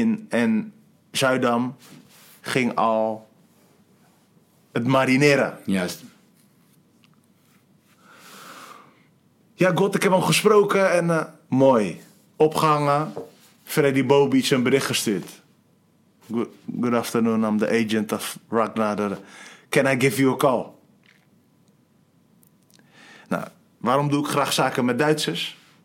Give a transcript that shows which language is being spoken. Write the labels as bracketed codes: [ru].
[nl] En Zuidam ging al het marineren. Juist. Ja, God, ik heb hem gesproken en mooi. Opgehangen, Freddy Bobic een bericht gestuurd. [en] Good afternoon, I'm the agent of Ragnar. Can I give you a call? [nl] Nou, waarom doe ik graag zaken met Duitsers?